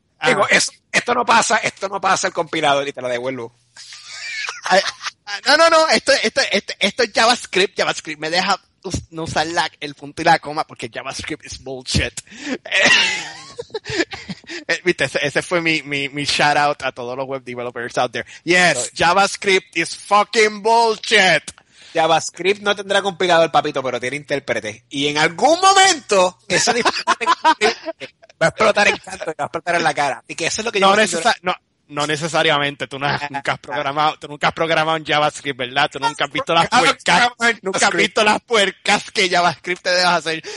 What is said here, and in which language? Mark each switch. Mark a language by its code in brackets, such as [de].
[es] Digo, esto no pasa el compilador y te lo devuelvo. No. Esto es JavaScript. JavaScript me deja no usar el punto y la coma porque JavaScript es bullshit. Viste, ese fue mi [en] shout out [es] a todos los [en] web developers out there. Yes, JavaScript is fucking bullshit. [es] JavaScript no tendrá compilador, papito, pero tiene intérprete. Y en algún momento, eso va a explotar en canto, va a explotar en la cara. Y que eso es lo que yo no necesariamente. Tú nunca has programado en JavaScript, ¿verdad? Tú nunca has visto las puercas. Nunca has visto las puercas que JavaScript te deja hacer.